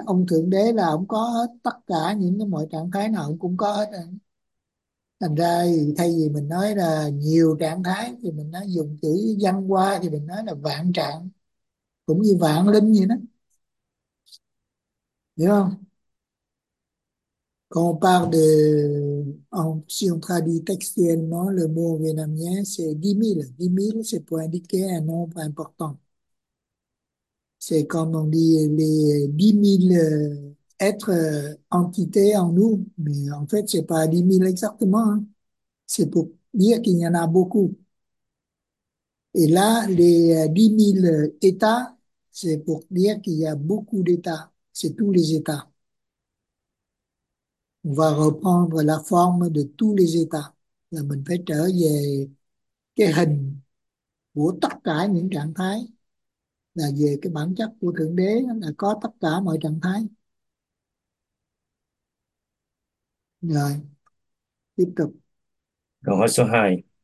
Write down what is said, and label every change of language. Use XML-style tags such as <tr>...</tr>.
<vi>Ông Thượng Đế là ông có hết tất cả những cái mọi trạng thái nào ông cũng có hết, thành ra thì thay vì mình nói là nhiều trạng thái thì mình nói dùng chữ văn hoa thì mình nói là vạn trạng, cũng như vạn linh vậy đó, hiểu không?</vi> <fr>Còn parle de ông si on traduit textuellement le mot vietnamien c'est 10 000, 10 000 c'est pour indiquer un nombre important. C'est comme on dit les 10 000 êtres, entités en nous, mais en fait c'est pas 10 000 exactement, hein. C'est pour dire qu'il y en a beaucoup. Et là, les 10 000 États, c'est pour dire qu'il y a beaucoup d'États, c'est tous les États. On va reprendre la forme de tous les États.</fr> <vi>Là mình phải trở về cái hình của tất cả những trạng thái, là về cái bản chất của Thượng Đế là có tất cả mọi trạng thái. Rồi, tiếp tục. Câu hỏi số 2.</vi>